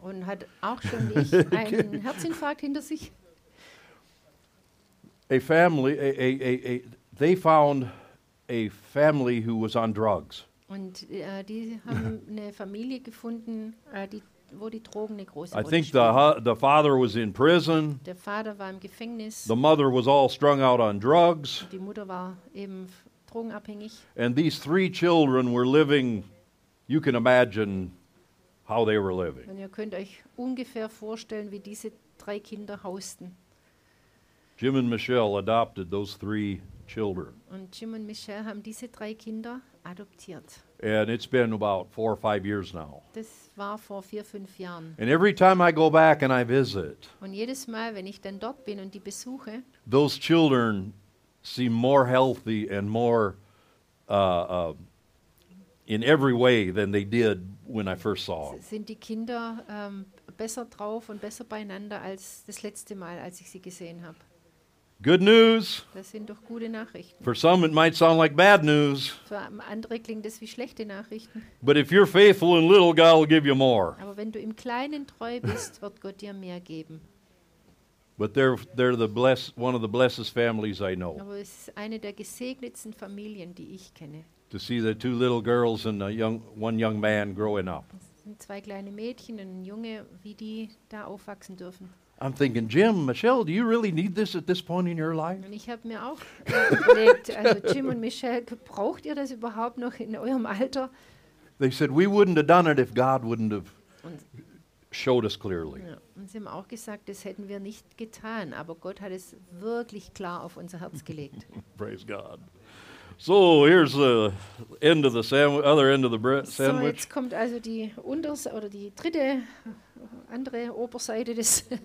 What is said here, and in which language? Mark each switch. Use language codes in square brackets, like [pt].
[de] Und hat auch schon nicht einen Herzinfarkt hinter sich. [en] They found a family who was on drugs. [de] Und die haben eine Familie gefunden, wo die Drogen eine große Rolle spielen. [en] I think the father was in prison. [de] Der Vater war im Gefängnis. [en] The mother was all strung out on drugs. [de] Die Mutter war eben drogenabhängig. [en] And these three children were living, you can imagine how they were living. [de] Und ihr könnt euch ungefähr vorstellen, wie diese drei Kinder hausten. [en] Jim and Michelle adopted those three children. [de] Und Jim und Michelle haben diese drei Kinder adoptiert. [en] And it's been about 4 or 5 years now. [de] Das war vor 4, 5 Jahren. [en] And every time I go back and I visit, [de] und jedes Mal, wenn ich dann dort bin und die besuche, [en] those children seem more healthy and more in every way than they did when I first saw them. [de] Sind die Kinder besser drauf und besser beieinander als das letzte Mal, als ich sie gesehen habe? [en] Good news. [de] Das sind doch gute Nachrichten. [en] For some it might sound like bad news. [de] Für andere klingt das wie schlechte Nachrichten. [en] But if you're faithful in little, God will give you more. [de] Aber wenn du im Kleinen treu bist, wird Gott dir mehr geben. [en] But they're the blessed, one of the blessed families I know. [de] Aber es ist eine der gesegnetsten Familien, die ich kenne. [en] To see the two little girls and one young man growing up. [de] Es sind zwei kleine Mädchen und ein Junge, wie die da aufwachsen dürfen. [en] I'm thinking, Jim, Michelle, do you really need this at this point in your life? [de] Und ich habe mir auch überlegt, also Jim und Michelle, braucht ihr das überhaupt noch in eurem Alter? [en] They said, we wouldn't have done it if God wouldn't have showed us clearly. [de] Ja. Und sie haben auch gesagt, das hätten wir nicht getan, aber Gott hat es wirklich klar auf unser Herz gelegt. [en] Praise God. So, here's the end of the sandwich, other end of the sandwich. [de] So, jetzt kommt also die unterste oder die dritte andere Oberseite des.